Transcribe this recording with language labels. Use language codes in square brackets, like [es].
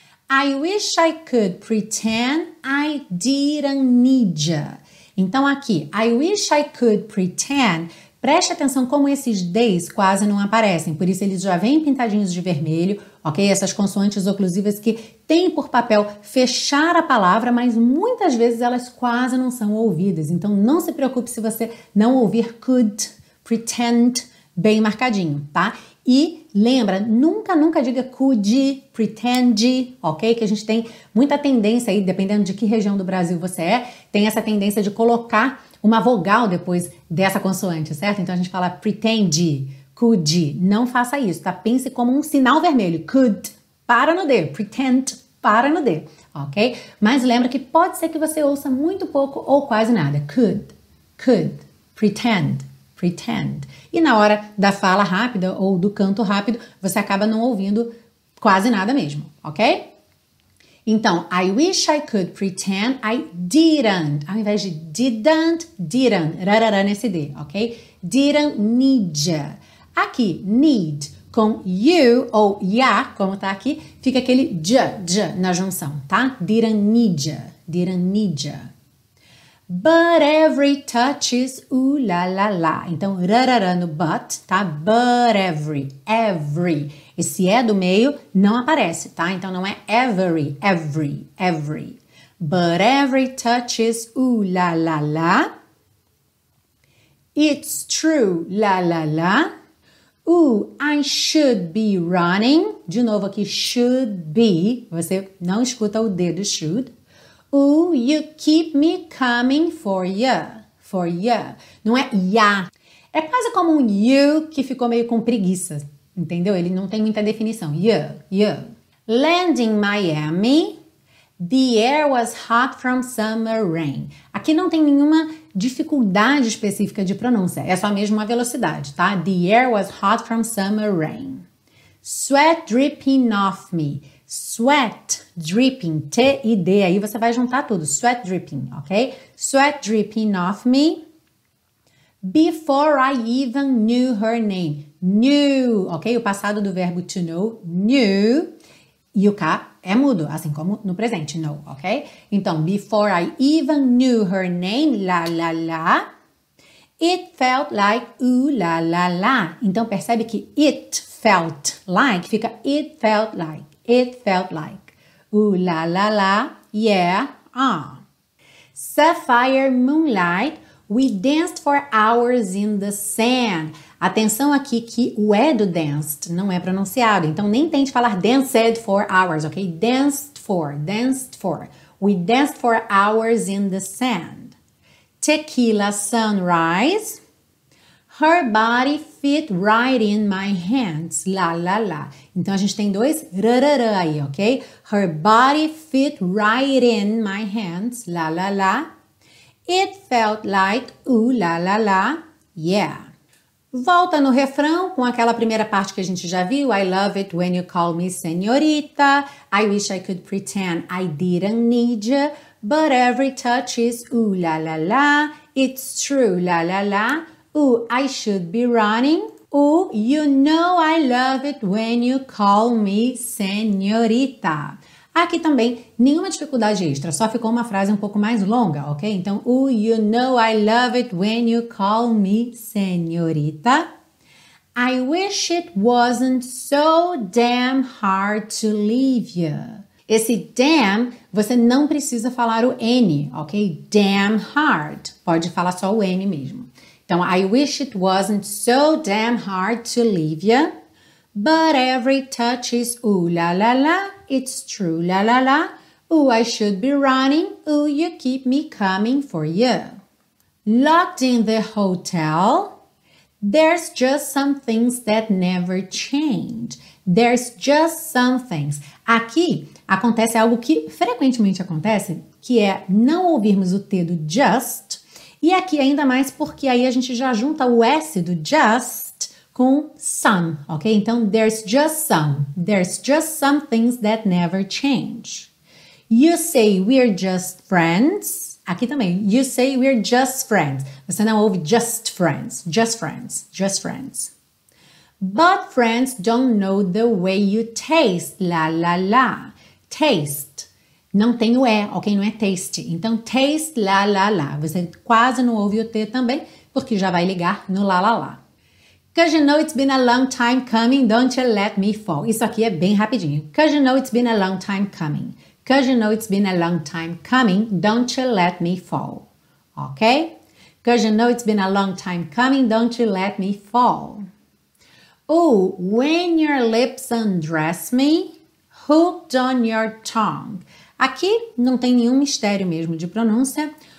[en] I wish I could pretend I didn't need you. [pt] Então, aqui, [en] I wish I could pretend. [pt] Preste atenção como esses D's quase não aparecem, por isso eles já vêm pintadinhos de vermelho, ok? Essas consoantes oclusivas que têm por papel fechar a palavra, mas muitas vezes elas quase não são ouvidas. Então não se preocupe se você não ouvir could, pretend, bem marcadinho, tá? E lembra, nunca, nunca diga could, pretend, ok? Que a gente tem muita tendência aí, dependendo de que região do Brasil você é, tem essa tendência de colocar uma vogal depois dessa consoante, certo? Então a gente fala pretend, could, não faça isso, tá? Pense como um sinal vermelho, could, para no D, pretend, para no D, ok? Mas lembra que pode ser que você ouça muito pouco ou quase nada, could, could, pretend, pretend. E na hora da fala rápida ou do canto rápido, você acaba não ouvindo quase nada mesmo, ok? Então, [en] I wish I could pretend I didn't, [pt] ao invés de [en] didn't, didn't, [pt] rarará nesse D, ok? [en] Didn't need ya. [pt] Aqui, need, com you ou ya, como tá aqui, fica aquele j na junção, tá? [en] Didn't need ya, didn't need ya. But every touch is ooh la la la. [pt] Então, rarará no but, tá? [en] But every, every. [pt] Esse é do meio, não aparece, tá? Então, não é every, every, every. [en] But every touch is ooh la la la. It's true, la la la. Ooh, I should be running. [pt] De novo aqui, should be. Você não escuta o D do should. [en] Ooh, you keep me coming for ya, for ya. [pt] Não é ya. É quase como um you que ficou meio com preguiça, entendeu? Ele não tem muita definição. [en] Ya, ya. Land in Miami, the air was hot from summer rain. [pt] Aqui não tem nenhuma dificuldade específica de pronúncia. É só mesmo a velocidade, tá? [en] The air was hot from summer rain. Sweat dripping off me. Sweat dripping, [pt] T e D, aí você vai juntar tudo, sweat dripping, ok? [en] Sweat dripping off me, before I even knew her name, knew, ok? [pt] O passado do verbo to know, knew, e o K é mudo, assim como no presente, know, ok? Então, [en] before I even knew her name, la la la, it felt like ooh la la la, [pt] então percebe que [en] it felt like, [pt] fica [en] it felt like. It felt like, ooh la la la, yeah, ah. Sapphire moonlight, we danced for hours in the sand. [pt] Atenção aqui que o E do danced não é pronunciado, então nem tente falar danced for hours, ok? [en] Danced for, danced for. We danced for hours in the sand. Tequila sunrise, her body fit right in my hands, la la la. [pt] Então a gente tem dois rarará aí, ok? [en] Her body fit right in my hands, la la la. It felt like ooh la la la, yeah. [pt] Volta no refrão com aquela primeira parte que a gente já viu. [en] I love it when you call me senhorita. I wish I could pretend I didn't need you. But every touch is ooh la la la. It's true, la la la. Ooh, I should be running. Ooh, you know I love it when you call me senhorita. [pt] Aqui também, nenhuma dificuldade extra, só ficou uma frase um pouco mais longa, ok? Então, [en] ooh, you know I love it when you call me senhorita. I wish it wasn't so damn hard to leave you. [pt] Esse damn, você não precisa falar o N, ok? Damn hard, pode falar só o N mesmo. [en] Então, I wish it wasn't so damn hard to leave ya, but every touch is ooh la la la, it's true la la la, ooh I should be running, ooh you keep me coming for ya. Locked in the hotel, there's just some things that never change, there's just some things. [pt] Aqui acontece algo que frequentemente acontece, que é não ouvirmos o T do just. E aqui ainda mais porque aí a gente já junta o S do just com some, ok? [en] Então, there's just some things that never change. You say we're just friends, [pt] aqui também, [en] you say we're just friends. [pt] Você não ouve [en] just friends, just friends, just friends. But friends don't know the way you taste, la la la, taste. [pt] Não tem o E, ok? Não é taste. Então, taste, la, la, la. Você quase não ouve o T também, porque já vai ligar no la, la, la. [en] Cause you know it's been a long time coming, don't you let me fall. [pt] Isso aqui é bem rapidinho. [en] Cause you know it's been a long time coming. Cause you know it's been a long time coming, don't you let me fall. Ok? Cause you know it's been a long time coming, don't you let me fall. Oh, when your lips undress me, hooked on your tongue. [pt] Aqui não tem nenhum mistério mesmo de pronúncia.